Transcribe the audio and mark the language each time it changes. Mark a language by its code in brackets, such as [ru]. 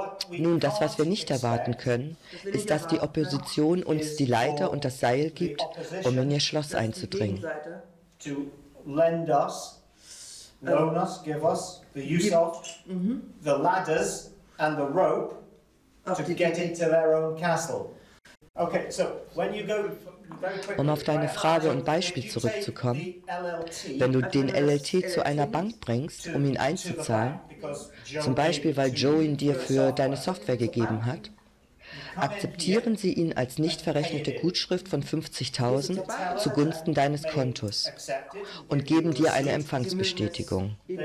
[de] Nun, das, was wir nicht erwarten können, ist, dass die Opposition uns die Leiter und das Seil gibt, um in ihr Schloss einzudringen. [en] Lend us, loan us, give us the use of the ladders and the rope to get into their own castle. Okay, so when you go, [de] um auf deine Frage und Beispiel zurückzukommen, wenn du den LLT zu einer Bank bringst, um ihn einzuzahlen, zum Beispiel weil Joe ihn dir für deine Software gegeben hat, akzeptieren Sie ihn als nicht verrechnete Gutschrift von 50.000 zugunsten deines Kontos und geben dir eine Empfangsbestätigung.